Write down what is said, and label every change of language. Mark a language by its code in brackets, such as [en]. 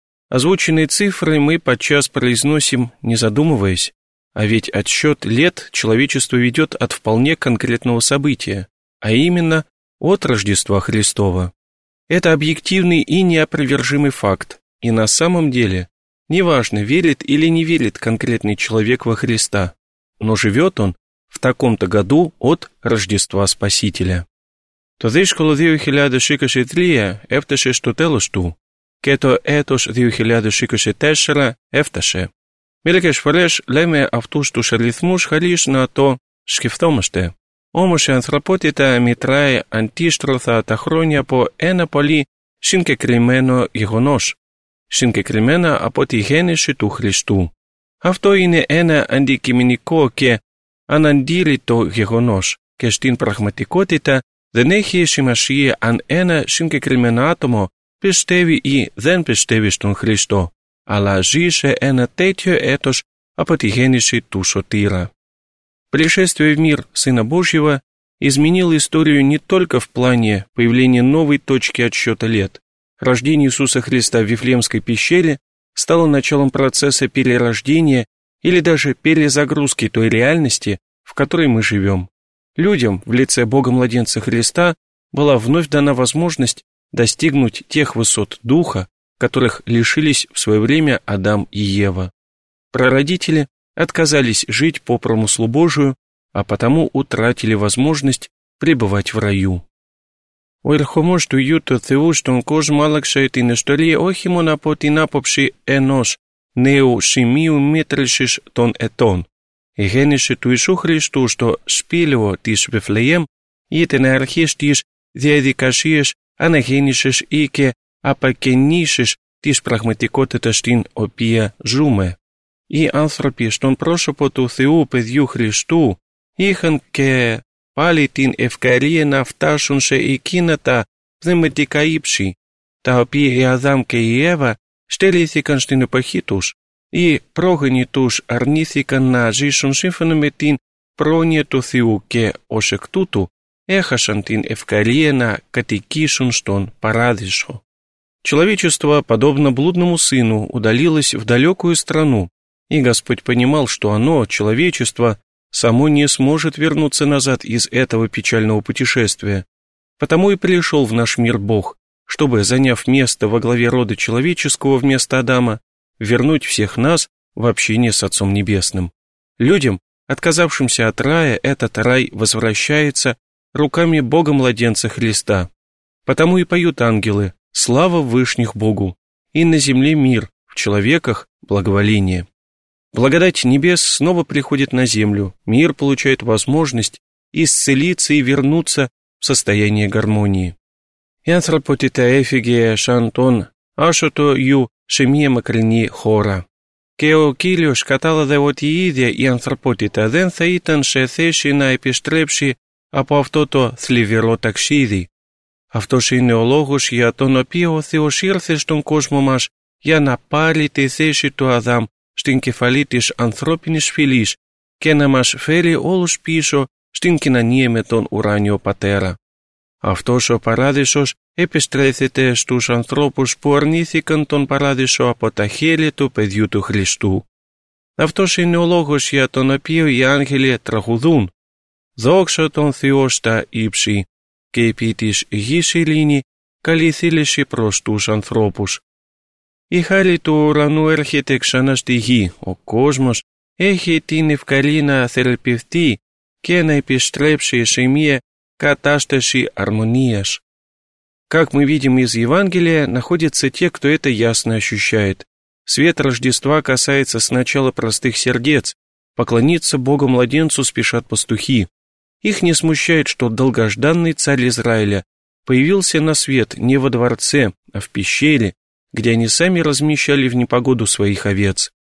[ru] Озвученные цифры мы подчас произносим, не задумываясь, а ведь отсчет лет человечество ведет от вполне конкретного события, а именно от Рождества Христова. Это объективный и неопровержимый факт, и на самом деле, неважно, верит или не верит конкретный человек во Христа, но живет он, в таком-то году от Рождества Спасителя. [el] Το 2023 έφτασε στο τέλος του και το έτος 2024 έφτασε. Μερικές φορές λέμε αυτούς τους αριθμούς χωρίς να το σκεφτόμαστε. Όμως η ανθρωπότητα μετράει αντίστροφα τα χρόνια από ένα πολύ συγκεκριμένο γεγονός, συγκεκριμένα από τη γέννηση του Χριστού. Αυτό είναι ένα αντικειμενικό και αναντήρητο γεγονός και στην πραγματικότητα δεν έχει σημασία αν ένα συγκεκριμένο άτομο πιστεύει ή δεν πιστεύει στον Χριστό, αλλά ζει σε ένα τέτοιο έτος από τη γέννηση του Σωτήρα. [ru] Пришествие в мир Сына Божьего изменило историю не только в плане появления новой точки отсчета лет. Рождение Иисуса Христа в Вифлеемской пещере стало началом процесса перерождения или даже перезагрузки той реальности, в которой мы живем. Людям в лице Бога-младенца Христа была вновь дана возможность достигнуть тех высот Духа, которых лишились в свое время Адам и Ева. Прародители отказались жить по промыслу Божию, а потому утратили возможность пребывать в раю. [el] Ο ερχομός του Υιού του Θεού στον κόσμο άλλαξε την ιστορία όχι μόνο από την άποψη ενός νέου σημείου μέτρησης των ετών. Η γέννηση του Ιησού Χριστού στο σπήλαιο της Βηφλεέμ ήταν αρχής της διαδικασίας αναγέννησης ή και απακαινήσεις της πραγματικότητας στην οποία ζούμε. Οι άνθρωποι στον πρόσωπο του Θεού Παιδιού Χριστού είχαν και πάλι την ευκαιρία να φτάσουν σε εκείνα τα πνευματικά ύψη, τα οποία η Αδάμ και η Εύα στερήθηκαν στην εποχή τους. Οι πρόγονοι τους αρνήθηκαν να ζήσουν σύμφωνα με την πρόνοια του Θεού και ως εκ τούτου έχασαν την ευκαιρία να κατοικήσουν στον Παράδεισο. [ru] Человечество, подобно блудному сыну, удалилось в далекую страну, и Господь понимал, что оно, человечество, само не сможет вернуться назад из этого печального путешествия. Потому и пришел в наш мир Бог, чтобы, заняв место во главе рода человеческого вместо Адама, вернуть всех нас в общение с Отцом Небесным. Людям, отказавшимся от рая, этот рай возвращается руками Бога-младенца Христа. Потому и поют ангелы «Слава Вышних Богу!» и на земле мир, в человеках благоволение. Благодать небес снова приходит на землю, мир получает возможность исцелиться и вернуться в состояние гармонии. [el] Η ανθρωπότητα έφυγε σαν τον άσωτο ιού σε μία μακρινή χώρα. Και ο Κύριος κατάλαβε ότι η ίδια η ανθρωπότητα δεν θα ήταν σε θέση να επιστρέψει από αυτό το θλιβερό ταξίδι. Αυτός είναι ο λόγος για τον οποίο ο Θεός ήρθε στον κόσμο μας για να πάρει τη θέση του Αδάμ στην κεφαλή της ανθρώπινης φυλής και να μας φέρει όλους πίσω στίνκινα νίεμε τον ουράνιο πατέρα. Αυτός ο παράδεισος επιστρέφεται στους ανθρώπους που αρνήθηκαν τον παράδεισο από τα χέρια του παιδιού του Χριστού. Αυτός είναι ο λόγος για τον οποίο οι άγγελοι τραγουδούν «Δόξα τον Θεό στα ύψη» και επί της γης ειρήνη καλή θέληση προς τους ανθρώπους. Η χάρη του ουρανού έρχεται ξανά στη γη. Ο κόσμος έχει την ευκαιρία να θεραπευτεί και να επιστρέψει σε μία κατάσταση αρμονίας. [ru] Как мы видим из Евангелия, находятся те, кто это ясно ощущает. Свет Рождества касается сначала простых сердец. Поклониться Богу-младенцу спешат пастухи. Их не смущает, что долгожданный царь Израиля появился на свет не во дворце, а в пещере, где они сами размещали в непогоду своих овец.